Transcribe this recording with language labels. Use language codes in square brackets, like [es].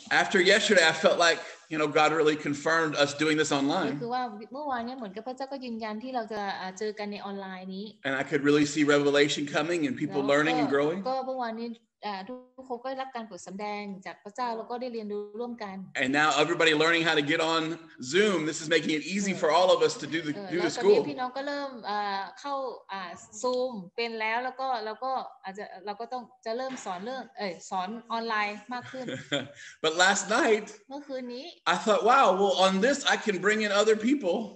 [en] After yesterday, I felt like, you know, God really confirmed us doing this online. [th] คือว่าเมื่อวานเนี่ยเหมือนกับพระเจ้าก็ยืนยันที่เราจะเจอกันในออนไลน์นี้ [en] And I could really see revelation coming and people learning and growing. [th] ก็เมื่อวานนี้ทุกคนก็รับการโปรดสำแดงจากพระเจ้าแล้วก็ได้เรียนรู้ร่วมกัน [en] And now everybody learning how to get on Zoom. This is making it easy for all of us to do the school. [th] แล้วพี่น้องก็เริ่มเข้า Zoom เป็นแล้วแล้วก็อาจจะเราก็ต้องจะเริ่มสอนเรื่องสอนออนไลน์มากขึ้น [en] But last night [th] เมื่อคืนนี้ [en] I thought, wow, well, on this, I can bring in other people.